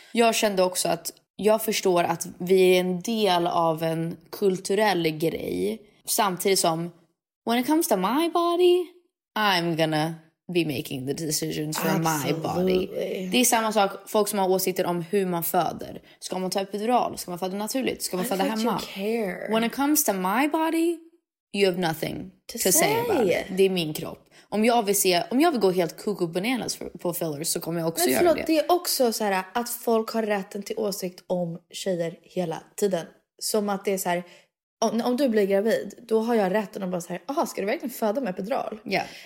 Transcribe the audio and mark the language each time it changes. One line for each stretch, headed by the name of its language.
Swedish: Jag kände också att jag förstår att vi är en del av en kulturell grej. Samtidigt som,
English: when it comes to my body, I'm gonna be making the decisions for my body.
Swedish: Det är samma sak, folk som har åsikter om hur man föder. Ska man ta epidural? Ska man föda naturligt? Ska man föda hemma?
English: When it comes to my body, you have nothing to say about it.
Swedish: Det är min kropp. Om jag vill gå helt
English: cuckoo bananas
Swedish: på fillers så kommer jag också men göra det. Det är också så här att folk har rätten till åsikt om tjejer hela tiden. Som att det är så här, om du blir gravid, då har jag rätten att bara säga, aha, ska du verkligen föda med epidural?
English: Yeah.